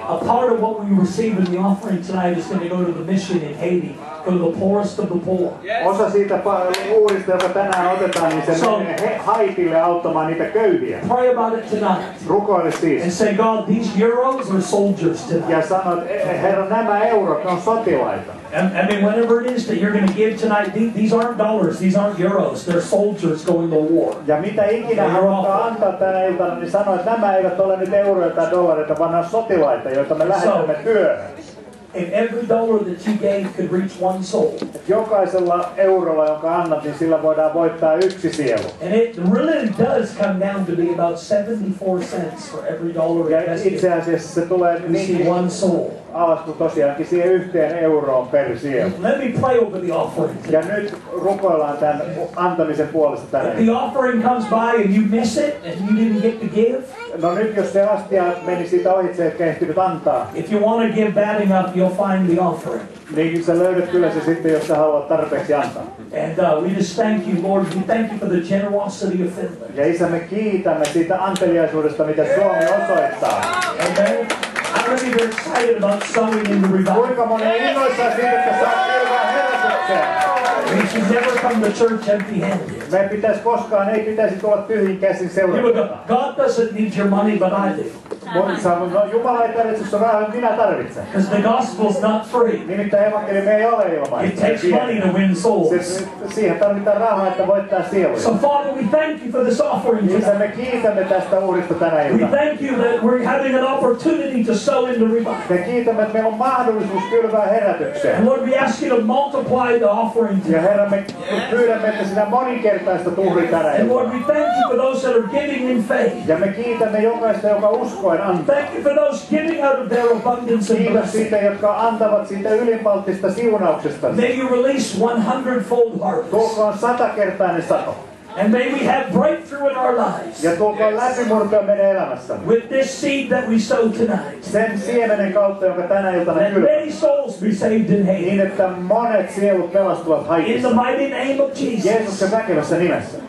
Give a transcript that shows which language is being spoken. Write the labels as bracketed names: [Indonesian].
[English] A part of what we receive in the offering tonight is going to go to the mission in Haiti, go to the poorest of the poor. [Finnish] Osa siitä uudesta, joka tänään otetaan, niin se menee Haitille auttamaan niitä köyhiä. [English] Pray about it tonight. [Finnish] Rukoile siis. [English] And say, God, these euros are soldiers tonight. [Finnish] Ja sanot, Herra, nämä eurot on sotilaita. [English] I mean, whatever it is that you're going to give tonight, these aren't dollars, these aren't euros. They're soldiers going to war. [Finnish] Ja mitä ikinä haluaa antaa tänä iltana, niin sanoa, että nämä eivät ole nyt euroja tai dollareita, vaan nämä sotilaita, joita me lähetämme työhön. [English] If every dollar that you gave could reach one soul. [Finnish] Jokaisella eurolla, jonka annat, niin sillä voidaan voittaa yksi sielu. [English] And it really does come down to be about 74 cents for every dollar [Finnish] invested. Ja itse asiassa se tulee niin [English] one soul. [Finnish] Alas, kun tosiaankin siihen yhteen euroon per sielu. [English] Let me pray over the offering. [Finnish] Ja nyt rukoillaan tämän antamisen puolesta tänne. [English] If the offering comes by and you miss it and you didn't get to give. [Finnish] No nyt jos se astia meni siitä ohitse, etkä ehtinyt antaa. [English] If you want to give bad enough, you'll find the offering. [Finnish] Niin sä löydät kyllä se sitten, jos sä haluat tarpeeksi antaa. [English] And we just thank you, Lord. We thank you for the generosity of Finland. [Finnish] Ja isä, me kiitämme siitä anteliaisuudesta, mitä Suomi osoittaa. [English] Amen. I really excited about sowing in the revival. [Finnish] Kuinka moni innoissaan siitä, että saa kylvää herätykseen. [English] We should never come to church empty-handed. [Finnish] Me ei pitäisi koskaan, ei pitäisi tulla tyhjin käsin seurataan. [English] God doesn't need your money, but I do. [Finnish] Moni sanoo, no Jumala ei tarvitse sun rahaa, mutta minä tarvitsen. [English] Because the gospel's not free. [Finnish] Nimittäin evankeliumi ei ole ilmaista. [English] It takes money to win souls. [Finnish] Siihen tarvitaan rahaa, että voittaa sieluja. [English] So Father, we thank you for this offering. [Finnish] Isä, me kiitämme tästä uhrista tänä iltana. [English] We thank you that we're having an opportunity to sow in the revival. [Finnish] Me kiitämme, että meillä on mahdollisuus kylvää herätykseen. [English] And Lord, we ask you to multiply the offering. [Finnish] Ja Herra, me pyydämme, että sinä moninkertaista uhri tänä iltana. [English] And Lord, we thank you for those that are giving in faith. [Finnish] Ja me kiitämme jokaista, joka uskoo. [English] Thank you for those giving out of their abundance and blessing. [Finnish] Kiitos siitä, jotka antavat siitä ylimalttista siunauksesta. [English] May you release 100-fold harvest. [Finnish] Tulkoon satakertainen sato. [English] And may we have breakthrough in our lives. [Finnish] Ja tulkoon läpimurtoa meidän elämässämme. [English] With this seed that we sow tonight. [Finnish] Sen siemenen kautta, joka tänä iltana kylvät. [English] And many souls be saved in Haiti. [Finnish] Niin, että monet sielut pelastuvat Haitissa. [English] In the mighty name of Jesus. [Finnish] Jeesuksen väkevässä nimessä.